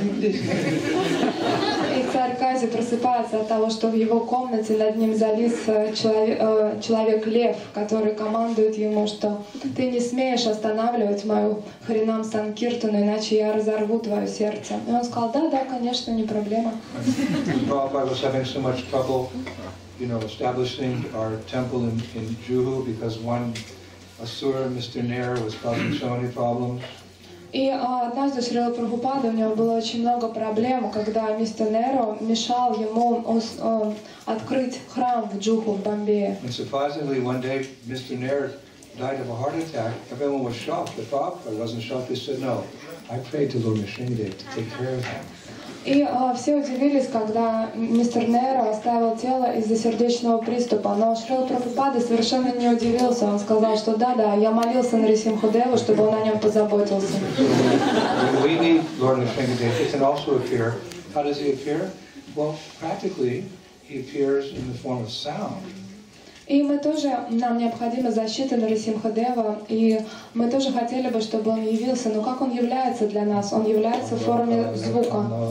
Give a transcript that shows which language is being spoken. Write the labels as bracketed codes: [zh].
[ru] И царь Кази просыпается от того, что в его комнате над ним завис человек-лев, который командует ему, что ты не смеешь останавливать мою Харинам Санкиртану, иначе я разорву твое сердце. И он сказал, да, да, конечно, не проблема. [en] Prabhupada was having so much trouble, you know, establishing our temple in Juhu because one asura, Mr. Nair, was causing so many problems. [ru] И однажды Шрила Прабхупада, у него было очень много проблем, когда мистер Неро мешал ему открыть храм в Джуху, в Бомбее. [en] And surprisingly, one day, Mr. Nair died of a heart attack. Everyone was shocked. The Prabhupada wasn't shocked. He said, no, I prayed to Lord Nisringadev to take care of him. [ru] И все удивились, когда мистер Неро оставил тело из-за сердечного приступа. Но Шрила Прабхупада совершенно не удивился. Он сказал, что да-да, я молился Нарасимхадеву, чтобы он о нем позаботился. [en] We need Lord Nisringadev. He can also appear. How does he appear? Well, practically, he appears in the form of sound. [ru] И мы тоже, нам необходима защита Нарасимхадева, и мы тоже хотели бы, чтобы он явился. Но как он является для нас? Он является в форме звука.